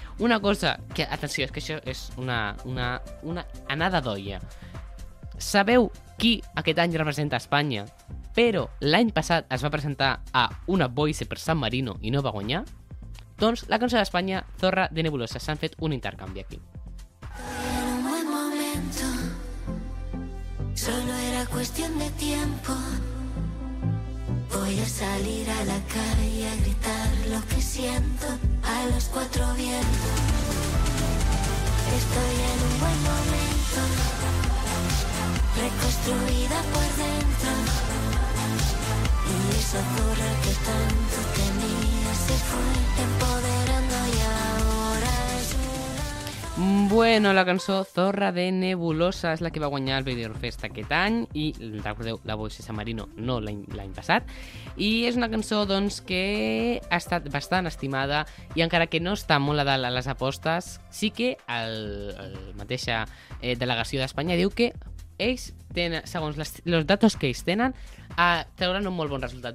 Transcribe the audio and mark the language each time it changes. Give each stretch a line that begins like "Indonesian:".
Catalan: Una cosa que, atenció, és que això és una anada d'olla. Sabeu qui aquest any representa Espanya, però l'any passat es va presentar a una voice per San Marino i no va guanyar? Doncs la cançó d'Espanya, Zorra de Nebulosa, s'han fet un intercanvi aquí.
Spanish: Era un buen momento, solo era cuestión de tiempo. Voy a salir a la calle a gritar lo que siento a los cuatro vientos. Estoy en un buen momento, reconstruida por dentro. Y esa zorra que tanto tenía se fue empoderando y ahora es una...
Catalan: Bueno, la cançó Zorra de Nebulosa és la que va guanyar el Benidorm Fest aquest any i, recordeu, la voix de San Marino no l'any passat. I és una cançó, doncs, que ha estat bastant estimada i encara que no està molt a dalt a les apostes, sí que la mateixa delegació d'Espanya diu que ells tenen, segons els datos que ells tenen, trauran un molt bon resultat.